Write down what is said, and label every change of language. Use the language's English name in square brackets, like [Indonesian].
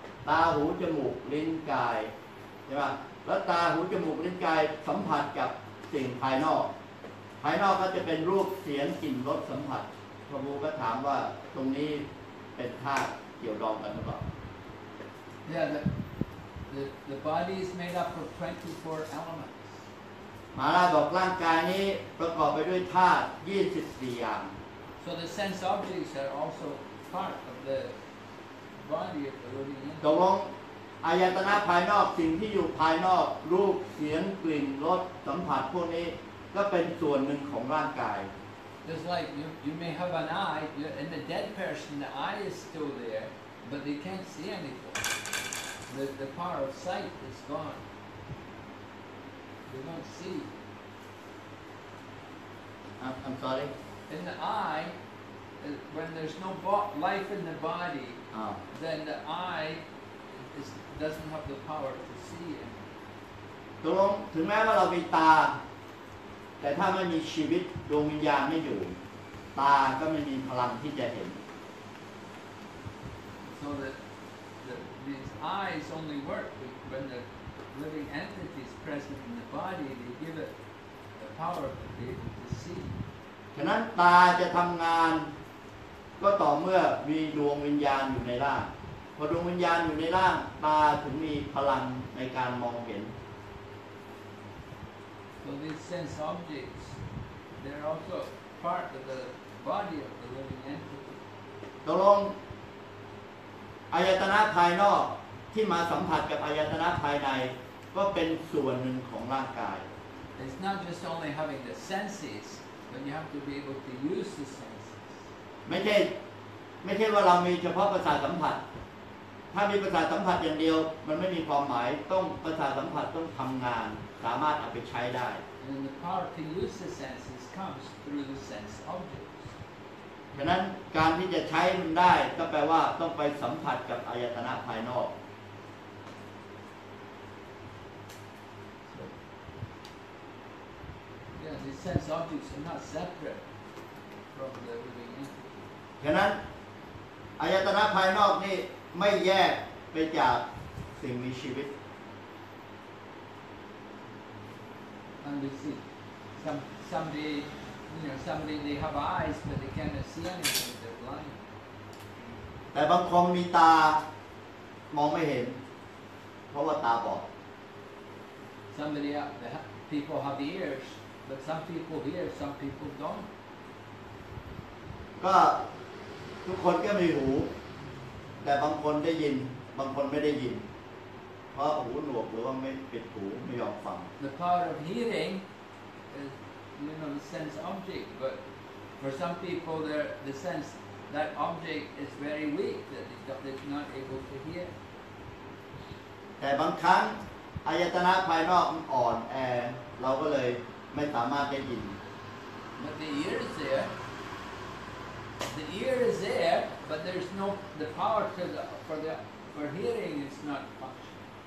[English] Eyes, nose, mouth, body, right? And eyes, nose, mouth, body, touch with the outside. Outside will be the form, taste, smell, touch. Prabhu asked, "What? Is this a state connected with the body? Yeah." The body is made up of 24 elements. [Thai] Maharaj บอกร่างกายนี้ประกอบไปด้วยธาตุ24อย่าง [English] So the sense objects are also part of the body of the living entity. [Thai] ตกลงอายตนะภายนอกสิ่งที่อยู่ภายนอกรูปเสียงกลิ่นรสสัมผัสพวกนี้ก็เป็นส่วนหนึ่งของร่างกาย [English] Just like you may have an eye, you're in the dead person, the eye is still there, but they can't see anything. The power of sight is gone. You don't see. I'm sorry? In the eye, when there's no life in the body, then the eye doesn't have the power to see anything. [Thai] ถึงแม้ว่าเรามีตาแต่ถ้าไม่มีชีวิตดวงวิญญาณไม่อยู่ตาก็ไม่มีพลังที่จะเห็น [English] So thatThese eyes only work when the living entity is present in the body. They give it the power to be able to see. [Thai] ฉะนั้นตาจะทำงานก็ต่อเมื่อมีดวงวิญญาณอยู่ในร่างพอดวงวิญญาณอยู่ในร่างตาถึงมีพลังในการมองเห็น [English] So these sense objects, they're also part of the body of the living entity. [Thai] ตกลงอายตนะภายนอกที่มาสัมผัสกับอายตนะภายในก็เป็นส่วนหนึ่งของร่างกาย [English] It's not just only having the senses, but you have to be able to use the senses. [Thai] ไม่ใช่ว่าเรามีเฉพาะประสาทสัมผัสถ้ามีประสาทสัมผัสอย่างเดียวมันไม่มีความหมายต้องประสาทสัมผัสต้องทำงานสามารถเอาไปใช้ได้ [English] And the power to use the senses comes through the sense objects. [Thai] ฉะนั้นการที่จะใช้มันได้ก็แปลว่าต้องไปสัมผัสกับอายตนะภายนอก [English] The sense objects are not separate from the living entity. [Thai] ฉะนั้นอายตนะภายนอกนี่ไม่แยกไปจากสิ่งมีชีวิต [English] And you see, somebody they have eyes but they cannot see anything, they're blind. [Thai] แต่บางคนมีตามองไม่เห็นเพราะว่าตาบอด [English] Somebody have, people have ears. But some people hear, some people don't. [Thai] ก็ทุกคนก็มีหูแต่บางคนได้ยินบางคนไม่ได้ยินเพราะหูหนวกหรือว่าไม่ปิดหูไม่ยอมฟัง [English] The power of hearing is, you know, the sense object. But for some people, the sense that object is very weak, that they're not able to hear. [Thai] แต่บางครั้งอายตนะภายนอกอ่อนแอเราก็เลยไม่สามารถได้ยิน [English] But the ear is there. The ear is there, but there's no the power to the, for hearing is not functioning.